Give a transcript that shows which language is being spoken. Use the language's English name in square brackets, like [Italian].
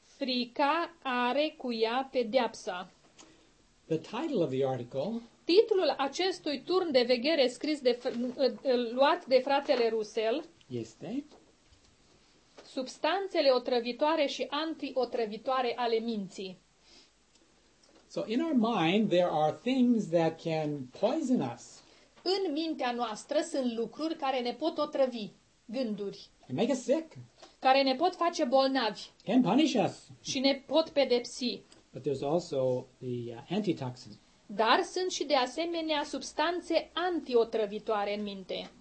[Romanian] Frica are cu ea pedeapsa. [English] The title of the article. [Romanian] Titlul acestui turn de veghere scris de luat de fratele Russell este substanțele otrăvitoare și antiotrăvitoare ale minții. [English] So in our mind there are things that can poison us. [Romanian] În mintea noastră sunt lucruri care ne pot otrăvi, gânduri. [English] They make us sick. [Romanian] Care ne pot face bolnavi. [English] Can punish us. [Romanian] Și ne pot pedepsi. [English] But there's also the antitoxin. [Romanian] Dar sunt și de asemenea substanțe antiotrăvitoare în minte.